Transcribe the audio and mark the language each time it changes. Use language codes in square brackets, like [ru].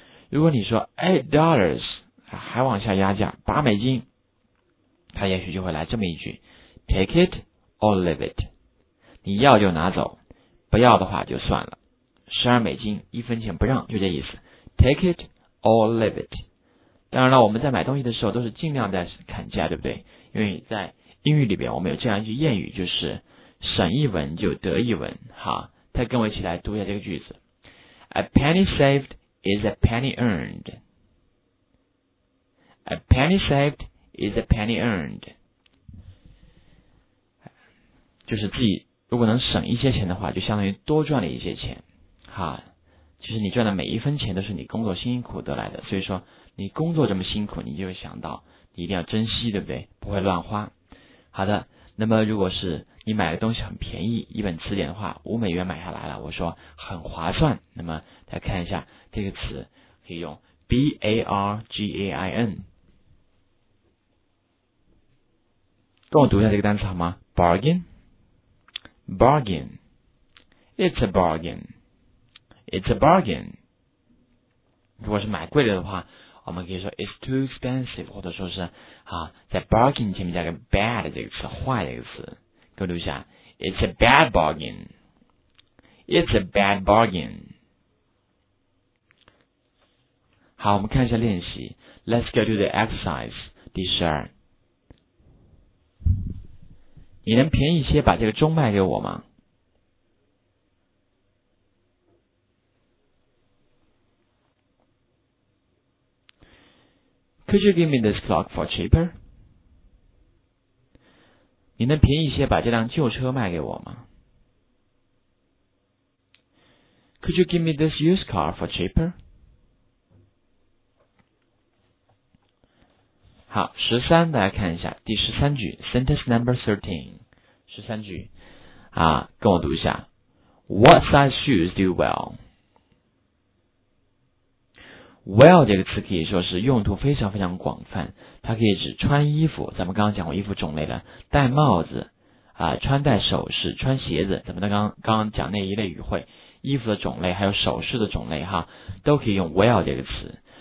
[zh] 如果你说 $8, 还往下压价8美金，他也许就会来这么一句 [en] take it or leave it, [zh] 你要就拿走，不要的话就算了，12美金一分钱不让，就这意思 take it or leave it。当然了，我们在买东西的时候都是尽量在砍价，对不对？因为在英语里边我们有这样一句谚语，就是省一文就得一文。好，再跟我一起来读一下这个句子。 [en] A penny saved is a penny earned. A penny saved is a penny earned. [zh] 就是自己如果能省一些钱的话，就相当于多赚了一些钱。好，其实你赚的每一分钱都是你工作辛苦得来的，所以说你工作这么辛苦，你就会想到你一定要珍惜，对不对？不会乱花。好的，那么如果是你买的东西很便宜，一本词典的话5美元买下来了，我说很划算，那么再看一下这个词可以用 bargain。跟我读一下这个单词好吗？ [en] bargain bargain, it's a bargain, it's a bargain。 [zh] 如果是买贵的话，我们可以说 [en] it's too expensive, [zh] 或者说是啊，在 bargain 前面加个 bad 这个词，坏这个词。各位读一下 [en] it's a bad bargain, it's a bad bargain。 [zh] 好，我们看一下练习。 [en] Let's go to the exercise [zh] 第十二。你能便宜些把这个钟卖给我吗？ [en] Could you give me this clock for cheaper? [zh] 你能便宜些把这辆旧车卖给我吗？ [en] Could you give me this used car for cheaper? [zh] 好，13，大家看一下第13句 , [en] sentence number 13, [zh] 13句啊，跟我读一下。 [en] What size shoes do you wear? [zh] Well 这个词可以说是用途非常非常广泛，它可以指穿衣服，咱们刚刚讲过衣服种类的，戴帽子穿戴首饰，穿鞋子，咱们刚刚讲那一类语汇，衣服的种类还有首饰的种类哈，都可以用 well 这个词。